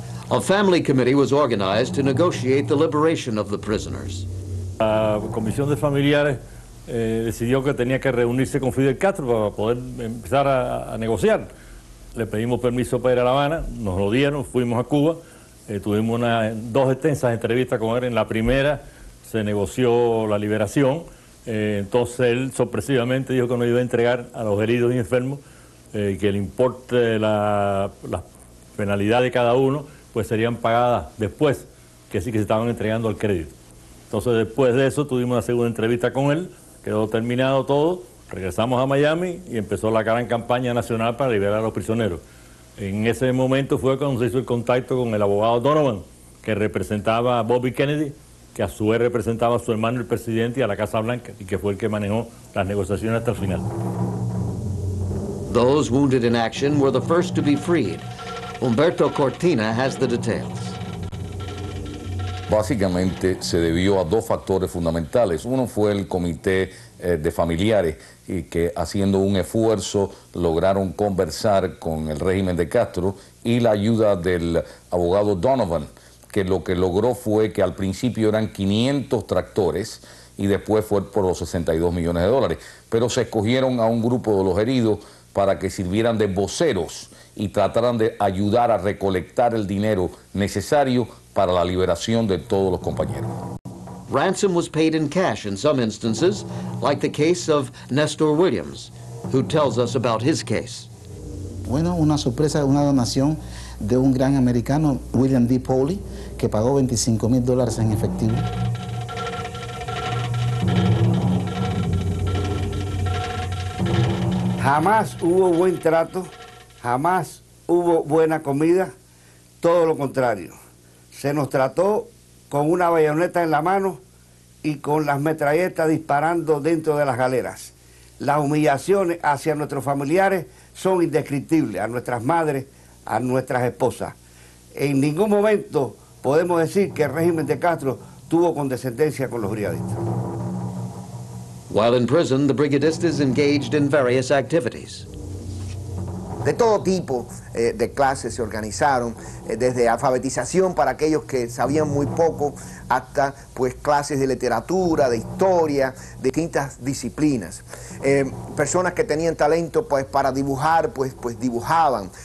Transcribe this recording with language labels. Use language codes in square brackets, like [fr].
[en] A family committee was organized to negotiate the liberation of the prisoners. [es] La comisión de familiares decidió que tenía que reunirse con Fidel Castro para poder empezar a negociar. Le pedimos permiso para ir a La Habana, nos lo dieron, fuimos a Cuba, tuvimos dos extensas entrevistas con él. En la primera se negoció la liberación. Entonces él sorpresivamente dijo que no iba a entregar a los heridos y enfermos, que el importe de la penalidad de cada uno pues serían pagadas después, que sí que se estaban entregando al crédito. Entonces después de eso tuvimos una segunda entrevista con él, quedó terminado todo, regresamos a Miami y empezó la gran campaña nacional para liberar a los prisioneros. En ese momento fue cuando se hizo el contacto con el abogado Donovan, que representaba a Bobby Kennedy, que a su vez representaba a su hermano el presidente y a la Casa Blanca, y que fue el que manejó las negociaciones hasta el final. [en] Those wounded in action were the first to be freed. Humberto Cortina has the details. [es] Básicamente se debió a dos factores fundamentales. Uno fue el comité de familiares y que haciendo un esfuerzo lograron conversar con el régimen de Castro y la ayuda del abogado Donovan, que lo que logró fue que al principio eran 500 tractores y después fue por los 62 millones de dólares. Pero se escogieron a un grupo de los heridos para que sirvieran de voceros y trataran de ayudar a recolectar el dinero necesario para la liberación de todos los compañeros. [en] Ransom was paid in cash in some instances, like the case of Nestor Williams, who tells us about his case. [es] Bueno, una sorpresa, una donación de un gran americano, William D. Pauley, que pagó 25 mil dólares en efectivo. Jamás hubo buen trato, jamás hubo buena comida, todo lo contrario. Se nos trató con una bayoneta en la mano y con las metralletas disparando dentro de las galeras. Las humillaciones hacia nuestros familiares son indescriptibles, a nuestras madres, a nuestras esposas. En ningún momento podemos decir que el régimen de Castro tuvo condescendencia con los brigadistas. [en] While in prison, the brigadistas engaged in various activities. [es] De todo tipo de clases se organizaron, desde alfabetización para aquellos que sabían muy poco, hasta pues clases de literatura, de historia, de distintas disciplinas. Personas que tenían talento pues para dibujar, pues dibujaban.